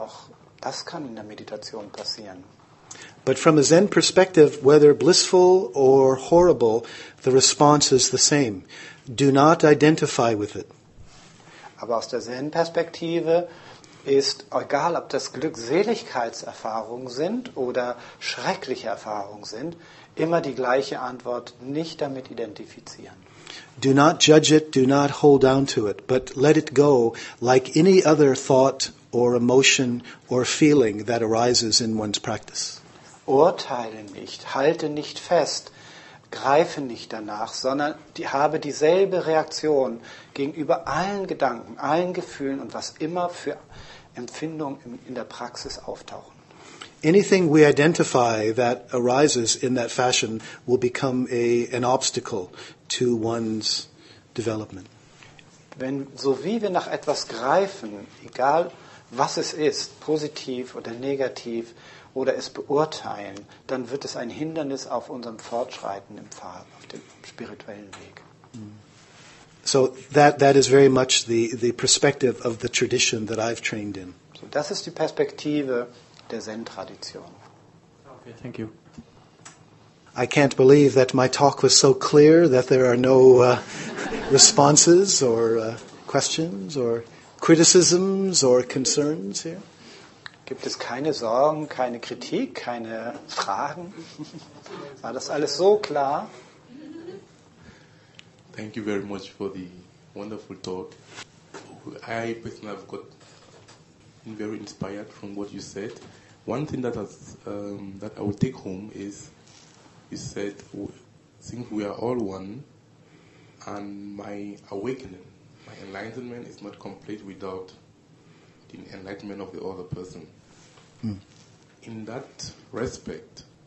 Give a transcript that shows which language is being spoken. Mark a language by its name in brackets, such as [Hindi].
[German] Auch das kann in der Meditation passieren. [English] But from a Zen perspective, whether blissful or horrible, the response is the same. Do not identify with it. [German] Aber aus der Zen-Perspektive ist egal, ob das Glückseligkeitserfahrungen sind oder schreckliche Erfahrungen sind, immer die gleiche Antwort, nicht damit identifizieren. [English] Do not judge it, do not hold down to it, but let it go like any other thought or emotion or feeling that arises in one's practice. [German] Urteile nicht, halte nicht fest, greife nicht danach, sondern habe dieselbe Reaktion gegenüber allen Gedanken, allen Gefühlen und was immer für Empfindungen in der Praxis auftauchen. [English] Anything we identify that arises in that fashion will become an obstacle to one's development. [German] Wenn, so wie wir nach etwas greifen, egal was es ist, positiv oder negativ, oder es beurteilen, dann wird es ein Hindernis auf unserem Fortschreiten im Pfad, auf dem spirituellen Weg. [English] So that is very much the perspective of the tradition that I've trained in. [German] So das ist die Perspektive der Zen-Tradition. [English] Okay, thank you. I can't believe that my talk was so clear that there are no responses or questions or criticisms or concerns here. [German] Gibt es keine Sorgen, keine Kritik, keine Fragen? War das alles so klar? [English] Thank you very much for the wonderful talk. I personally have got very inspired from what you said. One thing that that I would take home is, you said, since we are all one, and my awakening, my enlightenment is not complete without the enlightenment of the other person. In that respect,